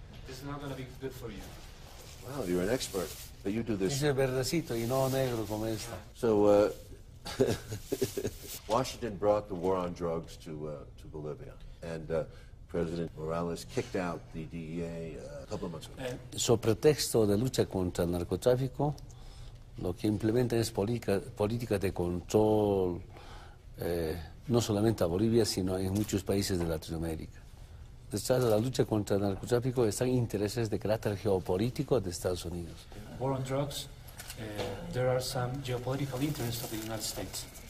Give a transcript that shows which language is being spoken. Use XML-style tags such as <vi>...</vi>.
<en>It's not going to be good for you. Wow, you're an expert. But you do this.</en> <es>Es verdecito y no negro como esta.</es> <en>So, Washington brought the war on drugs to Bolivia. And President Morales kicked out the DEA a couple of months ago.</en> <es>So, pretexto de lucha contra el narcotráfico, lo que implementa es política de control, no solamente a Bolivia, sino en muchos países de Latinoamérica. Detrás de la lucha contra el narcotráfico están intereses de carácter geopolítico de Estados Unidos.</es> <en>War on drugs, there are some geopolitical interests of the United States.</en>